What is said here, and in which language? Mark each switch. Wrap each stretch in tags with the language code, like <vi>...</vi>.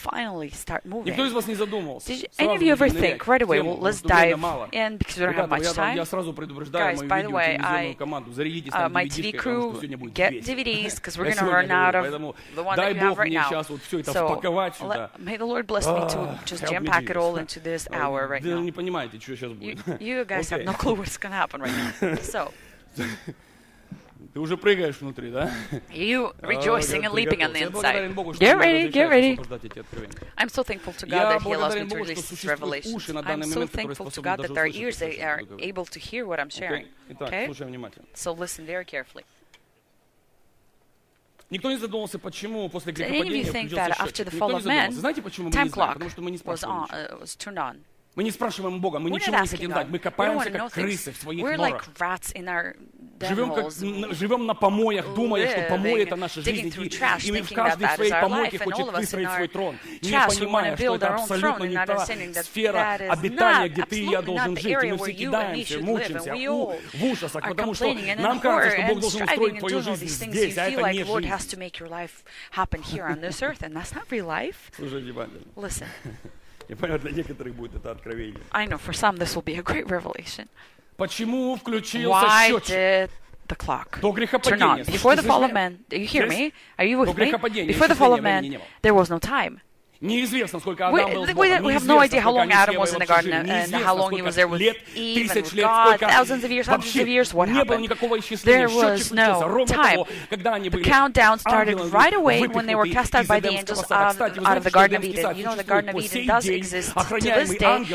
<ru>Никто из вас не задумывался. Сразу будет нырять тему, но времени мало. Ребята, я сразу предупреждаю мою видеотелевизионную команду. Зарядитесь там DVD-шкой, потому что сегодня будет весь. Я сегодня говорю, поэтому дай Бог мне сейчас вот все это впаковать сюда.</ru> <en>May the Lord bless me to just jam-pack it all into this hour right now.</en> <ru>Вы не понимаете, что сейчас будет.</ru> <en>You guys have no clue what's going to happen right now. Ты уже прыгаешь внутри, да? You rejoicing and leaping on the inside. Get ready, get ready. I'm so thankful to God that He allows me to release this revelation. I'm so thankful to God that our ears are able to hear what I'm sharing. Okay?</en> <ru>Итак, слушай внимательно.</ru> <en>So listen very carefully.</en> <ru>Никто не задумывался, почему после грехопадения включился счетчик. Никто не задумывался. Знаете, почему мы не знаем? Потому что мы не спрашиваем. Мы не спрашиваем Бога, мы ничего не хотим дать. Мы копаемся, как крысы в своих норах.</ru> <en>Like rats in our</en> <ru>живем на помоях, думая, что помои — это наша жизнь. И мы в каждой своей помойке хочет выстроить свой трон, не понимая, что это абсолютно не та сфера обитания, где ты и я должен жить. И мы все кидаемся, мучаемся в ужасах, потому что нам кажется, что Бог должен устроить твою жизнь здесь, а это не жизнь. Слушай, внимательно. Я понимаю, для некоторых будет это откровение.</ru> <en>I know, for some this will be a great revelation.</en> <ru>Почему включился счетчик?</ru> <en>Why did the clock turn on?</en> <ru>До грехопадения.</ru> <en>Before the fall of man, do you hear me? Are you with me?</en> <ru>До грехопадения.</ru> <en>Before the fall of man, there was no time.</en> <ru>Неизвестно, сколько Адам был в Боге.</ru> <en>We have no idea how long Adam was in the garden and how long he was there with Eve.</en> <ru>Тысяч лет, сколько</ru> <en>thousands of years, hundreds of years, what happened?</en> <ru>Не было никакого исчисления. Счетчик включился ровно того, когда они были.</ru> <en>The countdown started right away when they were cast out by the angels out of the Garden of Eden. You know, the Garden of Eden does exist to this day.</en>